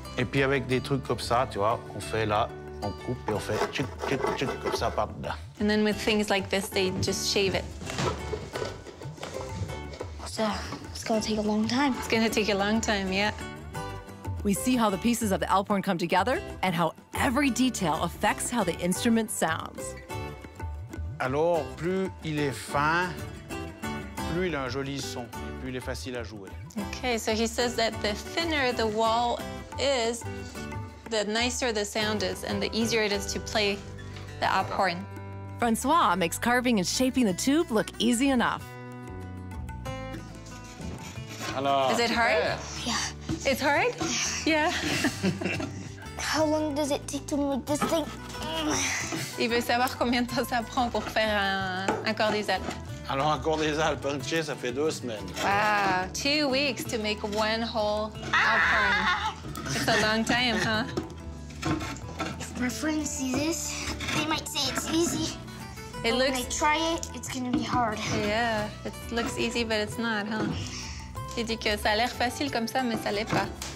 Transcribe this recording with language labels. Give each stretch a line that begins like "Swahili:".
French: Et puis avec des trucs comme ça, tu vois, on fait là, on coupe et on fait tchic, tchic, tchic, comme ça par là.
English: And then with things like this, they just shave it. So it's going to take a long time. It's going to take a long time, yeah. We see how the pieces of the Alphorn come together and how every detail affects how the instrument sounds. Alors, plus il est fin, plus il a un joli son, plus il est facile à jouer. Okay, so he says that the thinner the wall is, the nicer the sound is and the easier it is to play the Alphorn. Francois makes carving and shaping the tube look easy enough. Hello. Is it hard? Yeah. It's hard? Yeah. How long does it take to make this thing?
French: Il veut savoir combien de temps ça prend pour faire un corps des Alpes. Alors, un corps des Alpes, un chien, ça fait 2 semaines.
English: Wow, 2 weeks to make one whole Alphorn. It's a long time, huh? If my friends see this, they might say it's easy. It but looks... when I try it, it's gonna be hard. Yeah, it looks easy, but it's not, huh?
French: Tu dis que ça a l'air facile comme ça, mais ça l'est pas.